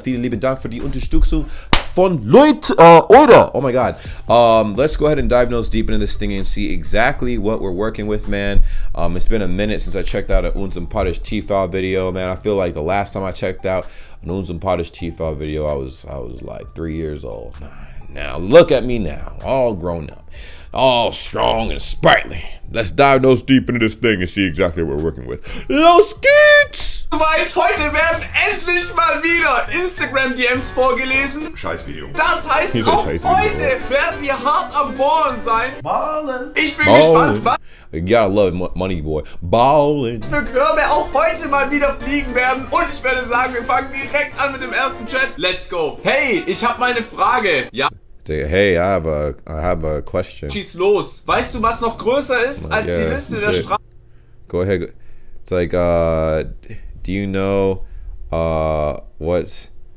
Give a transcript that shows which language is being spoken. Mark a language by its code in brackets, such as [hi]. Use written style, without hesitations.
[de] Vielen lieben Dank für die Unterstützung von Leute. [en] Oder, oh my God. Let's go ahead and dive nose deep into this thing and see exactly what we're working with, man. It's been a minute since I checked out a Uns und Potish T-File video, man. I feel like the last time I checked out an Uns und Potish T-File video, I was like 3 years old. Now, look at me now, all grown up, all strong and sprightly. Let's dive nose deep into this thing and see exactly what we're working with. [de] Los geht's! Heute werden endlich mal wieder Instagram-DMs vorgelesen. Scheiß Video. Das heißt, auch heute werden wir hart am Ballen sein. Ballen. Ich bin gespannt, was... [en] You gotta love Money Boy. Ballin'. [de] Für Körbe auch heute mal wieder fliegen werden. Und ich werde sagen, wir fangen direkt an mit dem ersten Chat. [en] Let's go. [de] Hey, ich hab mal eine Frage. Ja. [en] Hey, I have a question. [de] Schieß los. Weißt du, was noch größer ist als die Liste der Straßen? [en] Go ahead. It's like, do you know, what's...